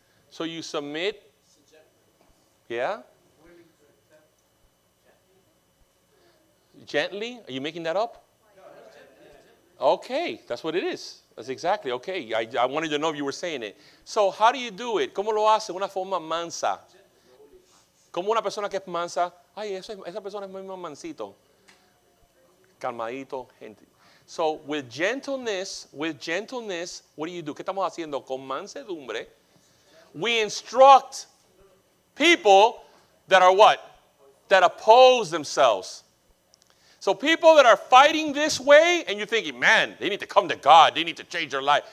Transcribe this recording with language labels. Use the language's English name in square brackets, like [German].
[English] So you submit? Yeah? Gently? Are you making that up? Okay, that's what it is. That's exactly okay. I wanted to know if you were saying it. So how do you do it? [Spanish] ¿Cómo lo hace? Una forma mansa. Como una persona que es mansa, ay, esa persona es muy mansito, calmadito, gente. [English] So, with gentleness, what do you do? [Spanish] ¿Qué estamos haciendo? Con mansedumbre, [English] we instruct people that are what? That oppose themselves. So, people that are fighting this way, and you're thinking, man, they need to come to God, they need to change their life.